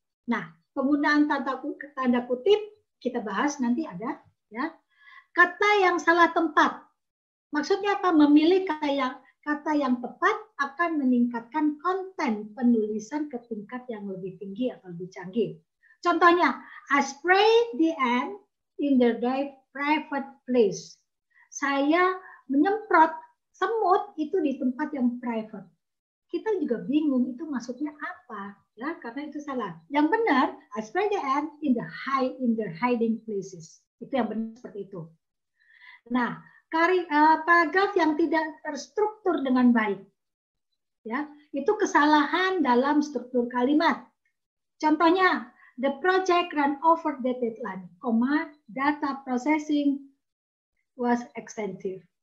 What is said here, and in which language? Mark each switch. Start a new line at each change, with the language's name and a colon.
Indonesian: Nah, penggunaan tanda kutip kita bahas nanti ada ya. Kata yang salah tempat. Maksudnya apa? Memilih kata yang tepat akan meningkatkan konten penulisan ke tingkat yang lebih tinggi atau lebih canggih.
English: Contohnya, I spray the end in the private place.
Indonesian: Saya menyemprot semut itu di tempat yang private. Kita juga bingung itu maksudnya apa, ya? Karena itu salah. Yang benar,
English: I spray the end in the hiding places.
Indonesian: Itu yang benar seperti itu. Nah, paragraf yang tidak terstruktur dengan baik. Ya, itu kesalahan dalam struktur kalimat.
English: Contohnya, the project ran over the deadline, comma, data processing was extensive.